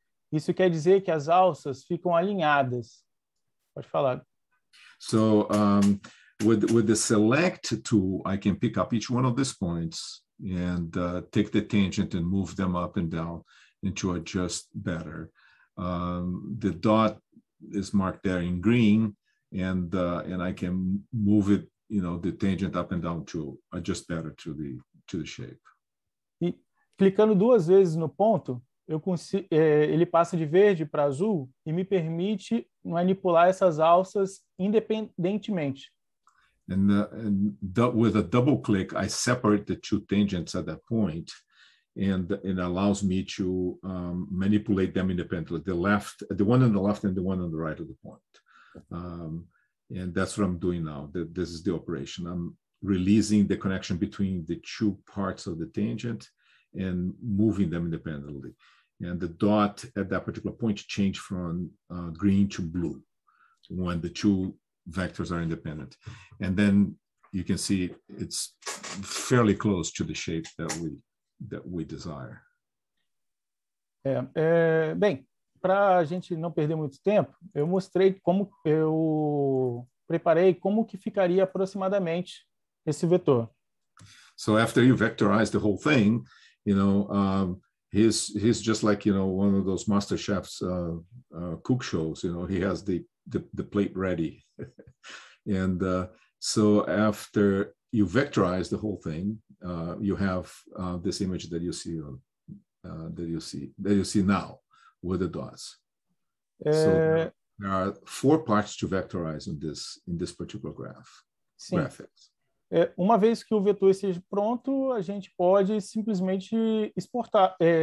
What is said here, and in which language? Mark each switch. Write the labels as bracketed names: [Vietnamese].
[Portuguese] Isso quer dizer que as alças ficam alinhadas. Pode falar. [English] So, with the select tool, I can pick up each one of these points and take the tangent and move them up and down and to adjust better. The dot is marked there in green, and I can move it, you know, the tangent up and down to adjust better to the shape. [Portuguese] E clicando duas vezes no ponto, eu consigo, ele passa de verde para azul e me permite manipular essas alças independentemente. [English] And with a double click, I separate the two tangents at that point. And allows me to manipulate them independently, the one on the left and the one on the right of the point. And that's what I'm doing now. This is the operation. I'm releasing the connection between the two parts of the tangent and moving them independently. And the dot at that particular point changed from green to blue when the two vectors are independent. And then you can see it's fairly close to the shape that we desire. [Portuguese] Bem, para a gente não perder muito tempo, eu mostrei como eu preparei como que ficaria aproximadamente esse vetor. [English] So after you vectorize the whole thing, you know, he's just like, you know, one of those master chefs cook shows, you know, he has the plate ready. And so after you vectorize the whole thing, you have this image that you see that you see now with the dots. So there are four parts to vectorize in this particular graph. [Portuguese] Sim. Graphics. Uma vez que o vetor esteja pronto, a gente pode simplesmente exportar.